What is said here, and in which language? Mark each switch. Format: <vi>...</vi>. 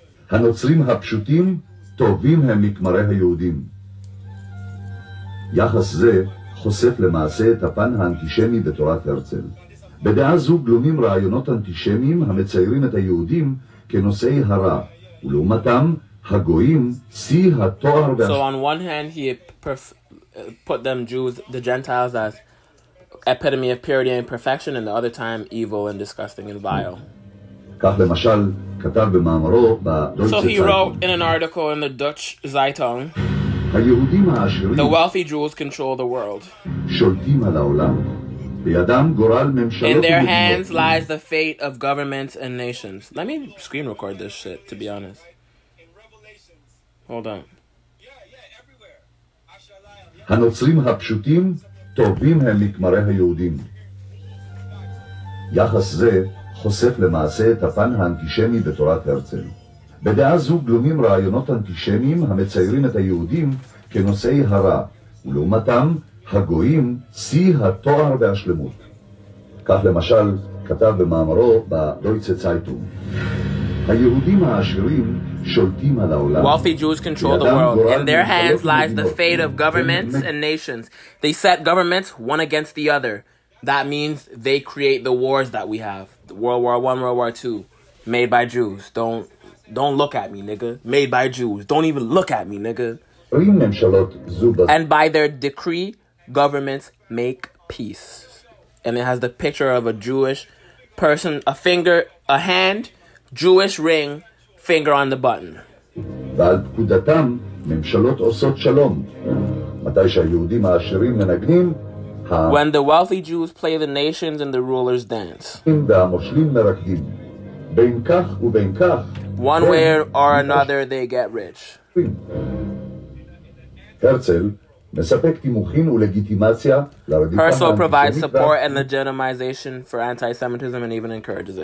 <he>הנוצרים הפשוטים טובים הם מכמרי היהודים. יחס זה חושף למעשה את הפן האנטישמי בתורת הרצל. בדעה זו גלומים רעיונות אנטישמיים המציירים את היהודים כנושאי הרע, ולעומתם הגויים שיא התואר.</he> <en>So on one hand he put them Jews, the Gentiles, as epitome of purity and perfection, and the other time evil and disgusting and vile.</en> <he>כך למשל כתב במאמרו בדויטש</he> <en>צייטונג. So he wrote in an article in the Dutch Zeitung.</en> <he>היהודים העשירים,</he> <en>the wealthy Jews control the world.</en> <he>שולטים על העולם. בידם גורל ממשלות.</he> <en>In their hands lies the fate of governments and nations. Let me screen record this shit, to be honest. Hold on.</en> <he>הנוצרים הפשוטים טובים הם מכמרי היהודים. יחס זה חושף למעשה את הפן האנטישמי בתורת הרצל. בדעה זו גלומים רעיונות אנטישמיים המציירים את היהודים כנושאי הרע, ולעומתם הגויים סי התואר והשלמות. כך למשל כתב במאמרו בדויצה צייטום, היהודים העשירים שולטים על העולם.</he> <en>Wealthy Jews control the world. In their hands lies the fate of governments and nations. They set governments one against the other. That means they create the wars that we have. World War I, World War II, made by Jews. Don't look at me, nigga. Made by Jews. Don't even look at me, nigga. And by their decree, governments make peace. And it has the picture of a Jewish person, a finger, a hand, Jewish ring, finger on the button.</en> <he>ועל פקודתם, ממשלות עושות שלום. מתי שהיהודים העשירים מנגנים,</he> <en>when the wealthy Jews play the nations and the rulers dance.</en> <he>והמושלים מרקדים. בין כך ובין כך,</he> <en>one way or another, they get rich.</en> <he>הרצל מספק תימוכין ולגיטימציה לרדיפה.</he> <en>Herzl provides support and legitimization for anti-Semitism and even encourages it.</en>